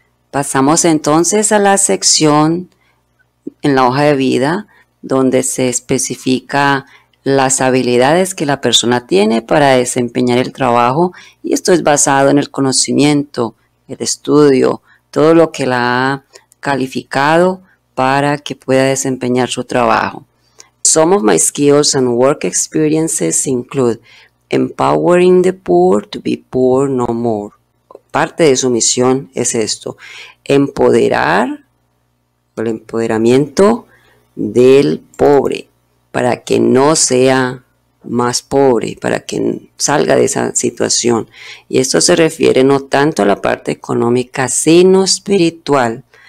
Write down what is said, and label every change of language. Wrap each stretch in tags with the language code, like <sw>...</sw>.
<es>Pasamos entonces a la sección en la hoja de vida donde se especifica las habilidades que la persona tiene para desempeñar el trabajo, y esto es basado en el conocimiento, el estudio, todo lo que la ha calificado para que pueda desempeñar su trabajo.</es> <en>Some of my skills and work experiences include empowering the poor to be poor no more.</en> <es>Parte de su misión es esto: empoderar, el empoderamiento del pobre para que no sea más pobre, para que salga de esa situación. Y esto se refiere no tanto a la parte económica, sino espiritual.</es>